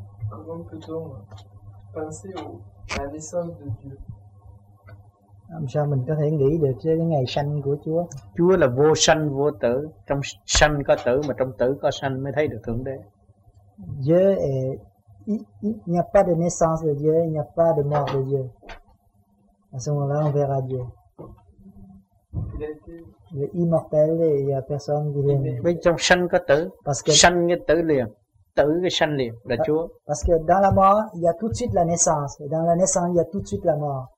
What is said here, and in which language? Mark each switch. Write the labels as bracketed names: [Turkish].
[French] Comment peut-on penser au, à l'essence de Dieu? [Vietnamese] Làm sao mình có thể nghĩ được cái ngày sanh của Chúa? Chúa là vô sanh vô tử, trong sanh có tử mà trong tử có sanh mới thấy được Thượng Đế. [French] Dieu est, il n'y a pas de naissance de Dieu, il n'y a pas de mort de Dieu. À ce moment-là, on verra Dieu. Il est immortel et il n'y a personne qui vient. Mais [Vietnamese] trong sanh có tử, [French] parce que [Vietnamese] sanh cái tử liền, tử cái sanh liền là Chúa. [French] Parce que dans la mort, il y a tout de suite la naissance, et dans la naissance, il y a tout de suite la mort.